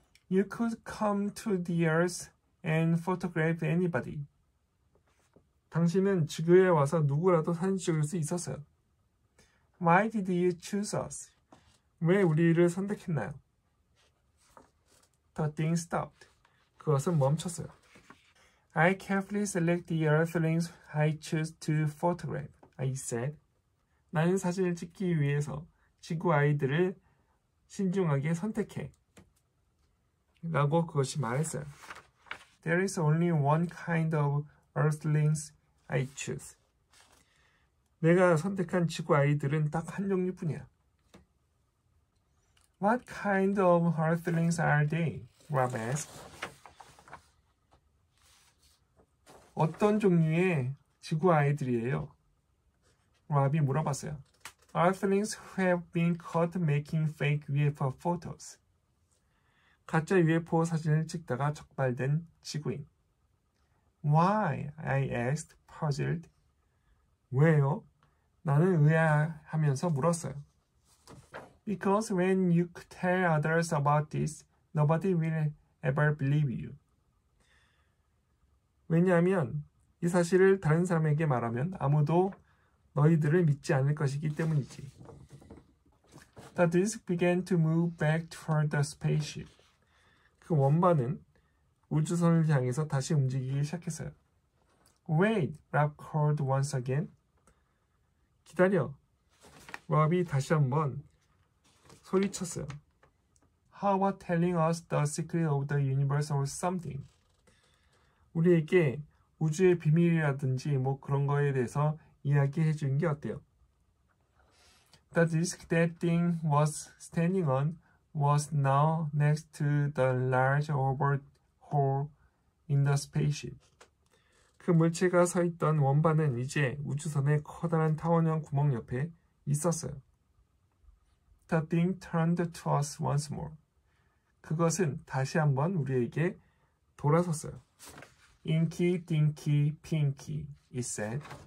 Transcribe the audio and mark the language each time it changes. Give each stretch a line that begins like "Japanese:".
English: You could come to the earth and photograph anybody.
Korean: 당신은 지구에 와서 누구라도 사진 찍을 수 있었어요.
English: Why did you choose us?
Korean: 왜 우리를 선택했나요?
English: The thing stopped.
Korean: 그것은 멈췄어요.
English: I carefully select the earthlings I choose to photograph, I said.
Korean: 나는 사진을 찍기 위해서 지구 아이들을 신중하게 선택해. 라고 그것이 말했어요.
English: There is only one kind of earthlings I choose.
Korean: 내가 선택한 지구 아이들은 딱 한 종류뿐이야.
English: What kind of earthlings are they? Rob asked.
Korean: 어떤 종류의 지구 아이들이에요? Rob이 물어봤어요.
English: Earthlings who have been caught making fake UFO photos.
Korean: 가짜 UFO 사진을 찍다가 적발된 지구인.
English: Why? I asked, puzzled.
Korean: 왜요? 나는 의아하면서 물었어요.
English: Because when you tell others about this, nobody will ever believe you.
Korean: 왜냐하면 이 사실을 다른 사람에게 말하면 아무도 너희들을 믿지 않을 것이기 때문이지.
English: The disc began to move back toward the spaceship.
Korean: 그 원반은 우주선을 향해서 다시 움직이기 시작했어요.
English: Wait, Rob called once again.
Korean: 기다려. 랍이 다시 한번 소리쳤어요.
English: How about telling us the secret of the universe or something?
Korean: 우리에게 우주의 비밀이라든지 뭐 그런 거에 대해서 이야기해 주는 게 어때요?
English: The disc that thing was standing on was now next to the large oval hole in the spaceship.
Korean: 그 물체가 서 있던 원반은 이제 우주선의 커다란 타원형 구멍 옆에 있었어요.
English: The thing turned to us once more.
Korean: 그것은 다시 한번 우리에게 돌아섰어요.
English: Inky, dinky, pinky, it said.